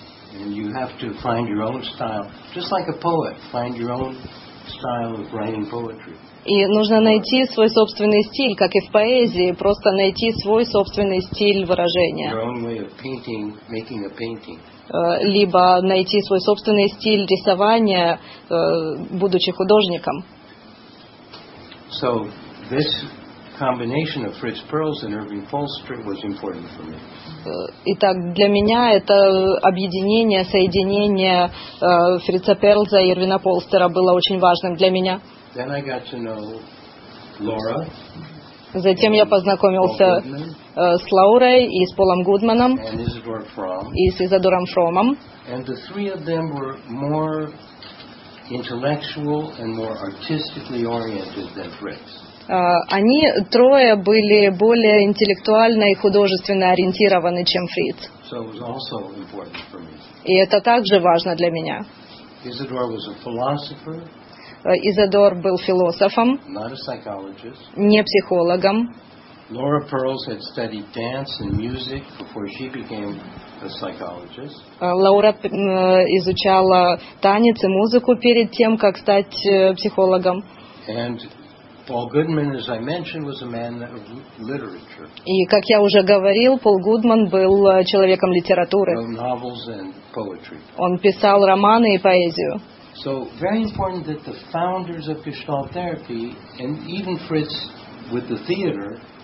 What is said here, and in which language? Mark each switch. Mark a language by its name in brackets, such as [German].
[English] And you have to find your own style, just like a poet, find your own style of writing poetry. [Russian] И нужно найти свой собственный стиль, как и в поэзии, просто найти свой собственный стиль выражения. [English] Your own way of painting, making a painting. [Russian] Либо найти свой собственный стиль рисования, будучи художником. [English] So this combination of Fritz Perls and Irving Polster was important for me. [Russian] Итак, для меня это объединение, соединение Фрица Перлза и Ирвина Полстера было очень важным для меня. [English] Then I got to know Laura. [Russian] Затем я познакомился с Лаурой и с Полом Гудманом и с Изадором Фромом. [English] And the three of them were more intellectual and more artistically oriented than Fritz. [Russian] Они трое были более интеллектуально и художественно ориентированы, чем Фриц. И это также важно для меня. Изадор был философом, не психологом. [English] Laura Perls had studied dance and music before she became a psychologist. [Russian] Лаура изучала танец и музыку перед тем, как стать психологом. [English] Paul Goodman, as I mentioned, was a man of literature. [Russian] И как я уже говорил, Пол Гудман был человеком литературы. [English] Wrote novels and poetry. [Russian] Он писал романы и поэзию. [English] So very important that the founders of Gestalt therapy and even Fritz with the theater.